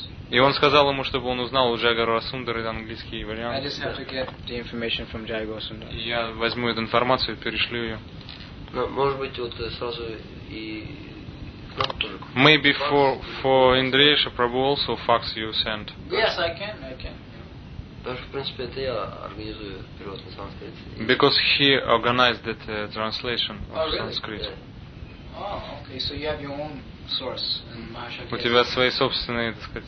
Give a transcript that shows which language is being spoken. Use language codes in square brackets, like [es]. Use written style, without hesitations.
[ru] И он сказал ему, чтобы он узнал у Джай Гаура Сундара английский вариант. [en] I just have to get the information from Jai Gaur Sundar. [ru] Я возьму эту информацию и перешлю ее. Но, может быть, вот сразу и только. [en] Maybe for Indriesha Prabhu also fax you sent. Yes, I can. [ru] Что, в принципе, это я организую перевод на санскрит. [en] Because he organized that translation of Sanskrit. Oh, really? Yeah. Oh, okay. So you have your own. [ru] У тебя свои собственные, так сказать.